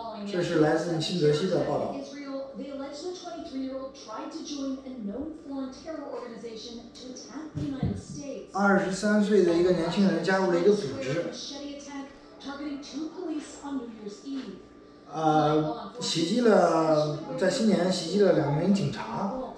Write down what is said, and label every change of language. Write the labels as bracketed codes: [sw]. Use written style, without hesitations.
[zh] 这是来自新泽西的报道。 [en] they allege the 23-year-old tried to join a known foreign terror organization to attack the United States. [zh] 23岁的一个年轻人加入了一个组织。 [en] Machete attack targeting two police on New Year's Eve. [zh] 袭击了，在新年袭击了两名警察。